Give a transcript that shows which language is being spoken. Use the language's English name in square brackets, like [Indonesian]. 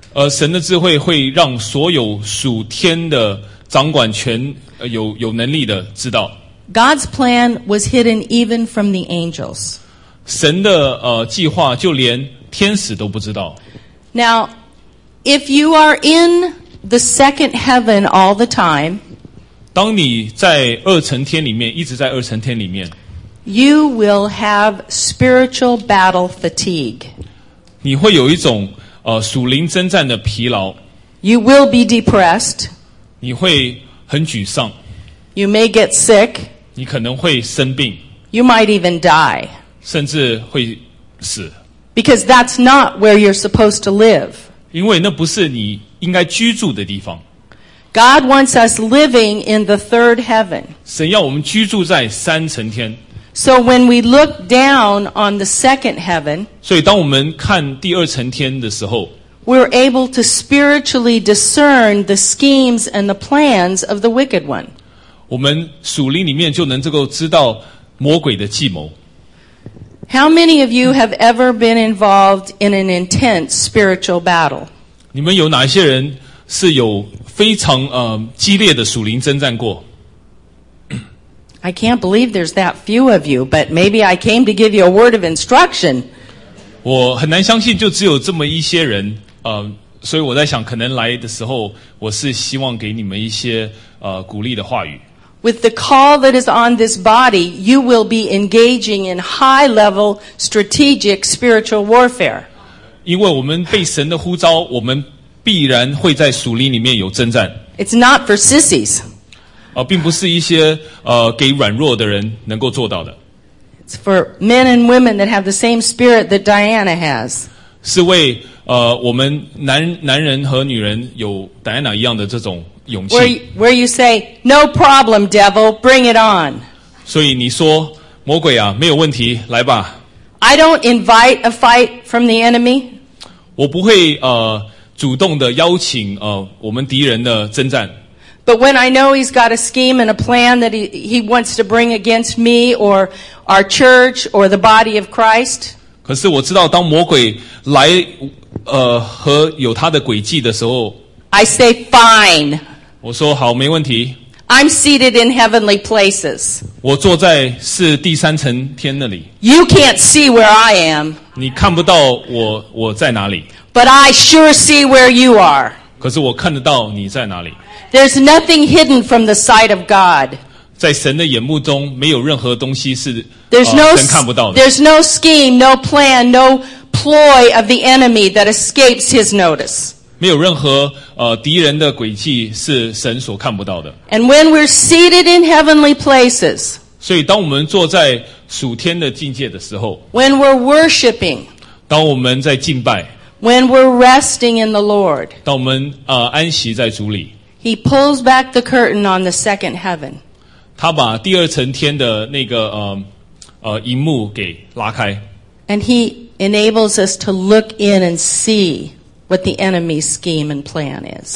[Chinese] 神的智慧会让所有属天的掌管权有能力的知道。 [English] God's plan was hidden even from the angels. [Chinese] 神的计划就连天使都不知道。 [English] Now, if you are in the second heaven all the time, [Chinese] 当你在二层天里面，一直在二层天里面， [English] you will have spiritual battle fatigue. [Chinese] 你会有一种属灵征战的疲劳。 [English] You will be depressed. [Chinese] 你会很沮丧。 [English] You may get sick. [Chinese] 你可能会生病。 [English] You might even die. [Chinese] 甚至会死。 [English] Because that's not where you're supposed to live. [Chinese] 因为那不是你应该居住的地方。 [English] God wants us living in the third heaven. [Chinese] 神要我们居住在三层天。 [English] So when we look down on the second heaven, [Chinese] 所以当我们看第二层天的时候， [English] We're able to spiritually discern the schemes and the plans of the wicked one. [Chinese] 我们属灵里面就能够知道魔鬼的计谋。 [English] How many of you have ever been involved in an intense spiritual battle? [Chinese] 你们有哪一些人是有非常激烈的属灵征战过？ [English] I can't believe there's that few of you, but maybe I came to give you a word of instruction. [Chinese] 我很难相信就只有这么一些人所以我在想可能来的时候我是希望给你们一些鼓励的话语。 [English] With the call that is on this body, you will be engaging in high level strategic spiritual warfare. [Chinese] 因为我们被神的呼召我们必然会在属灵里面有征战。 [English] It's not for sissies. [Chinese] 并不是一些给软弱的人能够做到的。 [English] For men and women that have the same spirit that Diana has. [Chinese] 是为我们男人和女人有 Diana 一样的这种勇气。 [English] Where you say, no problem, devil, bring it on. [Chinese] 所以你说魔鬼啊没有问题来吧。 [English] I don't invite a fight from the enemy. [Chinese] 我不会主动的邀请我们敌人的征战。 [English] But when I know he's got a scheme and a plan that he wants to bring against me or our church or the body of Christ. [Chinese] 可是我知道当魔鬼来和有他的诡计的时候。 [English] I say fine. [Chinese] 我说好没问题。 [English] I'm seated in heavenly places. [Chinese] 我坐在是第三层天那里。 [English] You can't see where I am. [Chinese] 你看不到我在哪里。 [English] But I sure see where you are. [Chinese] 可是我看得到你在哪里。 [English] There's nothing hidden from the sight of God. [Chinese] 在神的眼目中没有任何东西是神看不到的。 [English] There's no scheme, no plan, no ploy of the enemy that escapes his notice. [Chinese] 没有任何敌人的诡计是神所看不到的。 [English] And when we're seated in heavenly places. [Chinese] 所以当我们坐在属天的境界的时候。 [English] When we're worshiping. [Chinese] 当我们在敬拜。 [English] When we're resting in the Lord. [Chinese] 当我们安息在主里。 [English] He pulls back the curtain on the second heaven. [Chinese] 他把第二层天的那个银幕给拉开。 [English] And he enables us to look in and see what the enemy's scheme and plan is.